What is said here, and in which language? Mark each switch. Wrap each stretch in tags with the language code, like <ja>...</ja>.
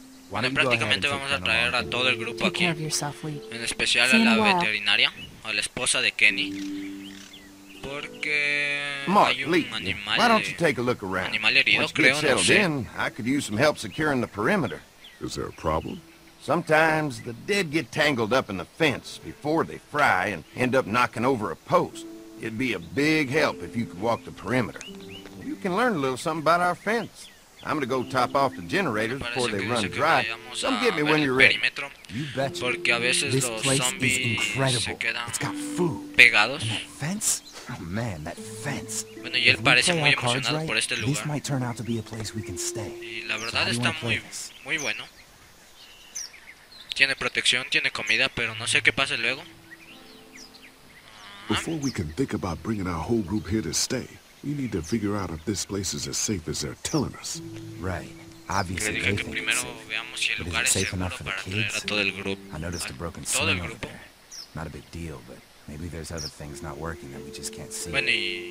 <es>Bueno, prácticamente vamos a traer a todo el grupo aquí. En especial a la veterinaria, a la esposa de Kenny. Porque hay un animal, herido, creo, no sé.</es> <en>In, I could use some help securing the perimeter. Is there a problem? Sometimes the dead get tangled up in the fence before they fry and end up knocking over a post. It'd be a big help if you could walk the perimeter. You can learn a little something about our fence. I'm gonna go top off the generators before they run dry. Come get me when you're ready. You betcha. This place is incredible. It's got food.</en> <es>Pegados.</es> <en>And that fence? Oh man, that fence.</en> <es>Bueno, y él parece muy emocionado</es> <en>right,</en> <es>por este lugar.</es> <en>This might turn out to be a place we can stay.</en> <es>Y la verdad está muy, muy bueno. Tiene protección, tiene comida, pero no sé qué pase luego.</es> <en>Before we can think about bringing our whole group here to stay. We need to figure out if this place is as safe as they're telling us. Right. Obviously, they think it's safe. But is it safe enough for the kids? I noticed a broken swing over there. Not a big deal, but maybe there's other things not working that we just can't see.</en>